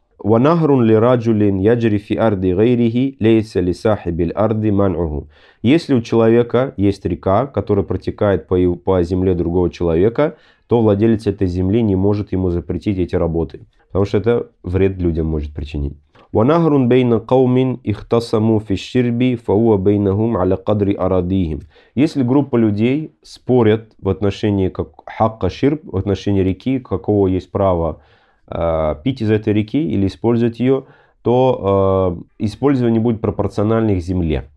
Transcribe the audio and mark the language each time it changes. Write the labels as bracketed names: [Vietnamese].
[Arabic] وَنَهْرٌ لِرَجُلٍ يَجْرِ فِي أَرْضِ غَيْرِهِ لَيْسَ لِصَاحِبِ الْأَرْضِ مَنْعُهُ. [Russian] Если у человека есть река, которая протекает по земле другого человека, то владелец этой земли не может ему запретить эти работы, потому что это вред людям может причинить. [Arabic] ونهر بين قوم اختصموا في الشرب فهو بينهم على قدر أراضيهم. [Russian] Если группа людей спорят в отношении как хака ширб, в отношении реки, какого есть право пить из этой реки или использовать ее, то использование будет пропорционально их земле.